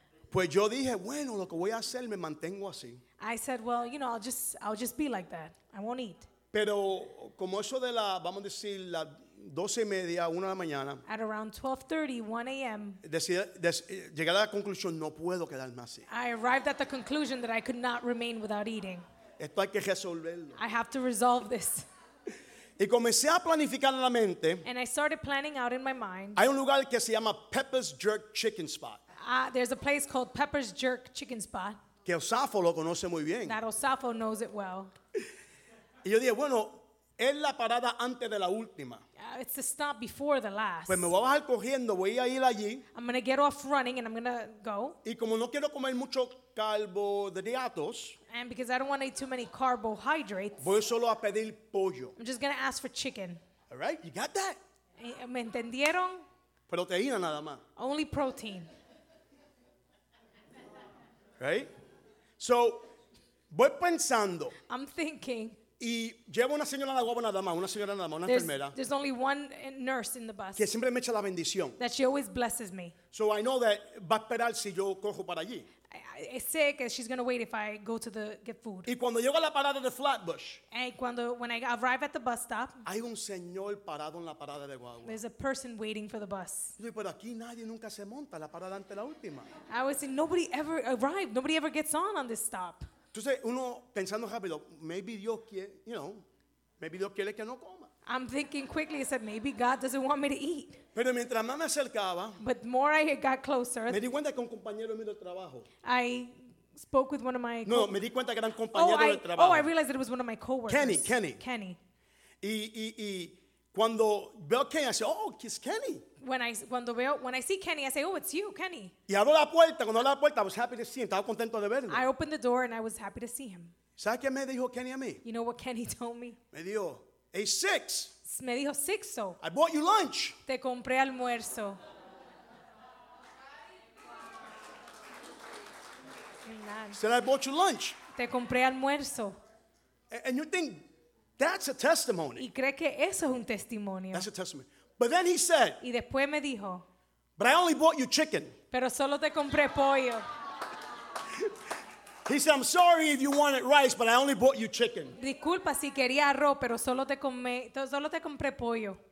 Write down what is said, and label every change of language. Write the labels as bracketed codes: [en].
[es] Pues yo dije, bueno, lo que voy a hacer me mantengo así. [en] I said, well, you know, I'll just be like that. I won't eat. [es] Pero como eso de la, vamos a decir, la 12 y media, 1 de la mañana. [en] At around 12:30, 1 a.m. [es] Llegué a la conclusión, no puedo quedarme así. [en] I arrived at the conclusion that I could not remain without eating. [es] Esto hay que resolverlo. [en] I have to resolve this. [es] Y comencé a planificar en la mente. [en] And I started planning out in my mind. [es] Hay un lugar que se llama Pepper's Jerk Chicken Spot. [en] There's a place called Pepper's Jerk Chicken Spot. [es] Que Osafo lo conoce muy bien. [en] That Osafo knows it well. [es] Y yo dije, bueno, es la parada antes de la última. [en] It's the stop before the last. [es] Pues me voy a bajar corriendo, voy a ir allí. [en] I'm going to get off running and I'm going to go. [es] Y como no quiero comer mucho carbohidratos. [en] And because I don't want to eat too many carbohydrates. [es] Voy solo a pedir pollo. [en] I'm just going to ask for chicken. All right, you got that? [es] ¿Me entendieron? Proteína nada más. [en] Only protein. Right? So, [es] voy pensando. [en] I'm thinking. [es] Y llevo una señora en la guagua nada más, una señora nada más, una enfermera. [en] There's only one nurse in the bus. [es] Que siempre me echa la bendición. [en] That she always blesses me. So I know that [es] va a esperar si yo cojo para allí. [en] I [es] sé que [en] she's going to wait if I go to the get food. [es] Y cuando llego a la parada de Flatbush. [en] And when I arrive at the bus stop. [es] Hay un señor parado en la parada de guagua. [en] There's a person waiting for the bus. [es] Yo digo, pero aquí nadie nunca se monta la parada ante la última. [en] I was saying, nobody ever arrived. Nobody ever gets on this stop. [es] Entonces uno pensando rápido, maybe Dios quiere, [en] you know, [es] maybe Dios quiere que no coma. [en] I'm thinking quickly. I said, maybe God doesn't want me to eat. [es] Pero mientras más me acercaba, [en] but more I got closer, [es] me di cuenta que un compañero mío de trabajo. [en] I spoke with one of my. [es] No, me di cuenta que era un compañero de trabajo. [en] Oh, I realized that it was one of my coworkers. [es] Kenny. Y cuando veo a Kenny, [en] I say, oh, it's Kenny. When I see Kenny, I say, oh, it's you, Kenny. [es] Y abro la puerta. Cuando abro la puerta, [en] I was happy to see him. [es] Estaba contento de verlo. [en] I opened the door and I was happy to see him. [es] ¿Sabes qué me dijo Kenny a mí? [en] You know what Kenny told me? [es] Me dijo, hey, six. Me dijo, six, so. [en] I bought you lunch. [es] Te compré almuerzo. [en] Said I bought you lunch. [es] Te compré almuerzo. [en] And you think that's a testimony. [es] Y cree que eso es un testimonio. [en] That's a testimony. But then he said, [es] y después me dijo, [en] but I only bought you chicken. [es] Pero solo te compré pollo. [en] He said, I'm sorry if you wanted rice, but I only bought you chicken. [es] Disculpa si quería arroz, pero solo te compré pollo.